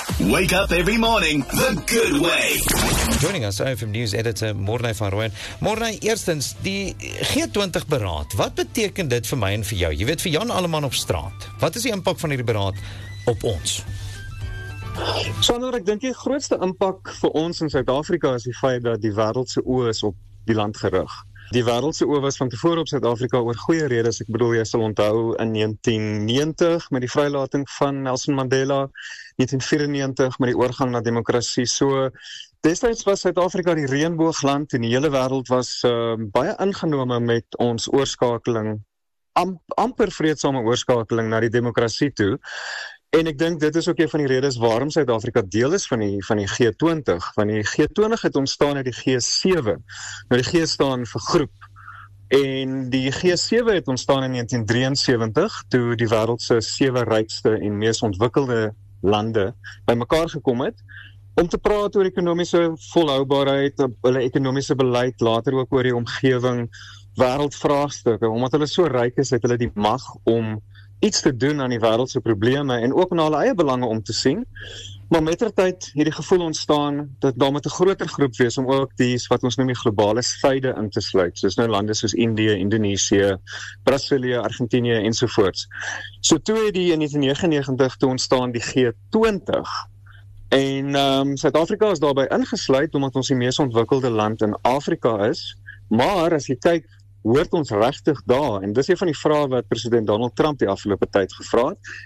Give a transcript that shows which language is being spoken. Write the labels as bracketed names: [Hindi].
[English] Wake up every morning the good way. Joining us, OFM News editor Morne van Rooyen. [Afrikaans] Morne, eerstens, die G20 beraad, wat beteken dit vir my en vir jou? Jy weet, vir Jan Alleman op straat, wat is die impak van die beraad op ons? Sander, ek dink die grootste impak vir ons in Suid-Afrika is die feit dat die wereldse oë is op die land gerig. Die wereldse oë was van tevore op Suid-Afrika oor goeie redes. Ek bedoel, jy sal onthou in 1990 met die vrylating van Nelson Mandela, 1994 met die oorgang na demokrasie. So, destijds was Suid-Afrika die reënboogland en die hele wereld was baie ingenome met ons oorskakeling, amper vreedsame oorskakeling na die demokrasie toe. En ek dink dit is ook een van die redes waarom Suid-Afrika deel is van die G20. Want die G20 het ontstaan uit die G7. Nou die G staan vir groep. En die G7 het ontstaan in 1973, toe die wereldse 7 rykste en mees ontwikkelde lande by mekaar gekom het, om te praat oor ekonomiese volhoubaarheid, op hulle ekonomiese beleid, later ook oor die omgeving, wereldvraagstukke. Omdat hulle so ryk is, het hulle die mag om iets te doen aan die wereldse probleme en ook na hulle eie belange om te sien. Maar mettertyd het die gevoel ontstaan dat daar met 'n groter groep wees om ook die wat ons noem die globale suide in te sluit. Soos nou lande soos Indië, Indonesië, Brasilië, Argentinië en sovoorts. So toe het die in 1999 toe ontstaan die G20. En Suid-Afrika is daarby ingesluit omdat ons die mees ontwikkelde land in Afrika is. Maar as jy kyk, hoort ons regtig daar? En dis een van die vrae wat president Donald Trump die afgelope tyd gevra het.